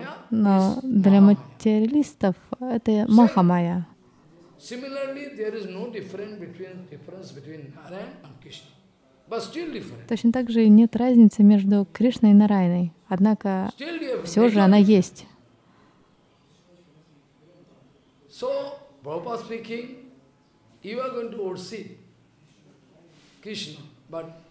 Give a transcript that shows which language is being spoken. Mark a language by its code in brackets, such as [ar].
[ru] Но для материалистов это маха-майя. [en] Similarly, there is no difference between Narayan and Krishna. But still different. [ru] Точно так же нет разницы между Кришной и Нарайной. Однако все же она есть. [en] So, Prabhupada speaking, you are going to see Krishna, but